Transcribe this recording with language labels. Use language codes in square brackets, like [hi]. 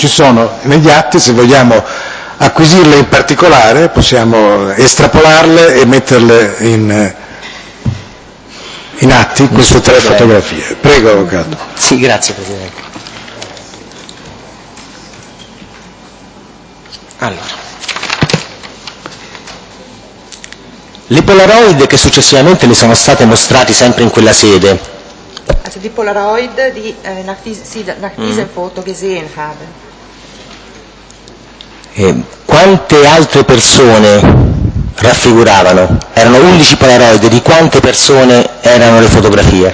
[it] Ci sono negli atti, se vogliamo acquisirle in particolare, possiamo estrapolarle e metterle in atti queste tre fotografie. Prego, avvocato. Sì, grazie Presidente. Allora. Le polaroid che successivamente le sono state mostrate sempre in quella sede. [de] Also die Polaroid, die nach diesem Foto gesehen haben. [it] Quante altre persone raffiguravano? Erano 11 polaroid, di quante persone erano le fotografie?